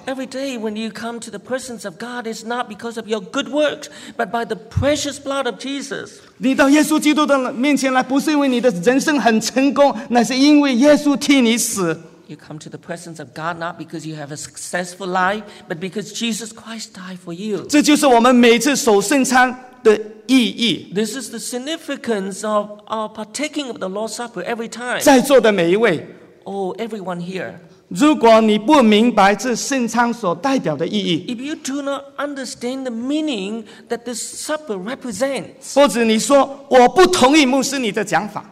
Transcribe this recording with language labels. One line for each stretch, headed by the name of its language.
English: Every day when you come to the presence of God, it's not because of your good works, but by the precious blood of Jesus.
Chinese: 你到耶稣基督的面前来，不是因为你的人生很成功，乃是因为耶稣替你死。
English: You come to the presence of God not because you have a successful life, but because Jesus Christ died for you.
Chinese: 这就是我们每次守圣餐的意义。
English: This is the significance of our partaking of the Lord's Supper every time.
Chinese: 在座的每一位。
English: Oh, everyone here.
Chinese: 如果你不明白这圣餐所代表的意义。
English: If you do not understand the meaning that this supper represents.
Chinese: 或者你说我不同意牧师你的讲法。